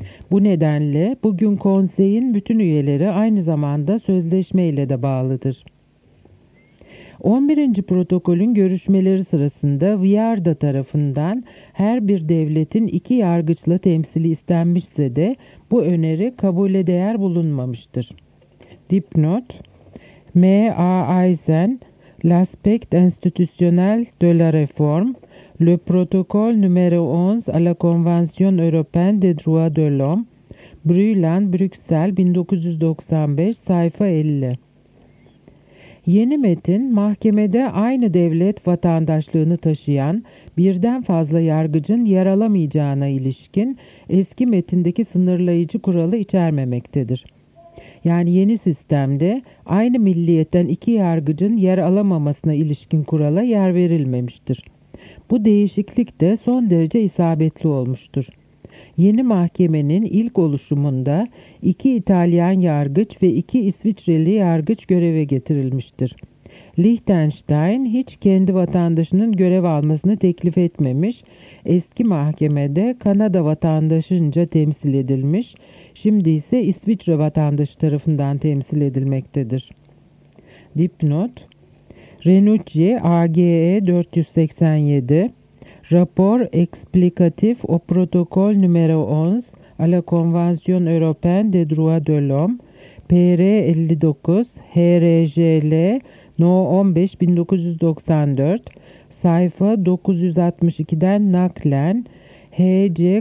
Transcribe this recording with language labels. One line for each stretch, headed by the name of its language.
Turkish: Bu nedenle bugün konseyin bütün üyeleri aynı zamanda sözleşme ile de bağlıdır. 11. protokolün görüşmeleri sırasında Viyarda tarafından her bir devletin iki yargıçla temsili istenmişse de bu öneri kabule değer bulunmamıştır. Dipnot, M. A.
French: Eisen, L'Aspect Institutionnel de la Réforme, Le Protocole numéro 11 à la Convention européenne des droits de l'homme, Brüllen, Brüksel, 1995, sayfa 50.
Turkish: Yeni metin, mahkemede aynı devlet vatandaşlığını taşıyan birden fazla yargıcın yer alamayacağına ilişkin eski metindeki sınırlayıcı kuralı içermemektedir. Yani yeni sistemde aynı milliyetten iki yargıcın yer alamamasına ilişkin kurala yer verilmemiştir. Bu değişiklik de son derece isabetli olmuştur. Yeni mahkemenin ilk oluşumunda iki İtalyan yargıç ve iki İsviçreli yargıç göreve getirilmiştir. Liechtenstein hiç kendi vatandaşının görev almasını teklif etmemiş, eski mahkemede Kanada vatandaşınca temsil edilmiş, şimdi ise İsviçre vatandaşı tarafından temsil edilmektedir.
French: Dipnot Renucci AGE 487 Rapport explicatif au protocol numéro 11 à la Convention européenne des droits de l'homme PR 59 HRJL No 15 1994
Turkish: sayfa 962'den naklen
French: H.C.